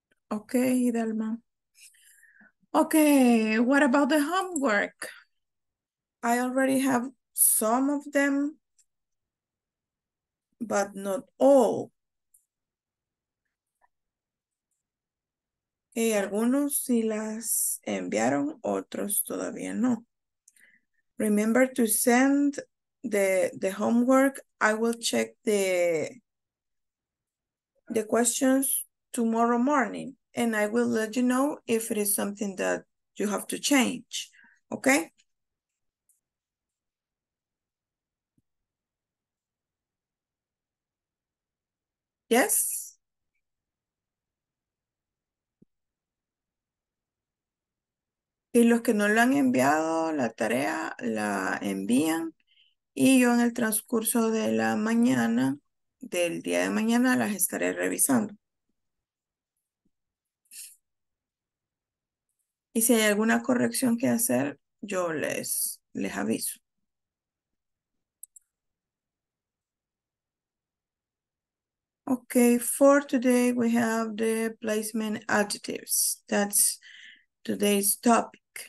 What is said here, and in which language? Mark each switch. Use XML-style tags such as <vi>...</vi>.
<en>Okay, Hidalma. Okay, what about the homework? I already have some of them, but not all.</en> <es>Y algunos sí las enviaron, otros todavía no.</es> <en>Remember to send the homework. I will check the questions tomorrow morning, and I will let you know if it is something that you have to change, okay? Yes.</en> <es>Y los que no lo han enviado, la tarea la envían y yo en el transcurso de la mañana, del día de mañana, las estaré revisando. Y si hay alguna corrección que hacer, yo les aviso.</es> <en>Okay, for today we have the placement adjectives. That's today's topic.</en>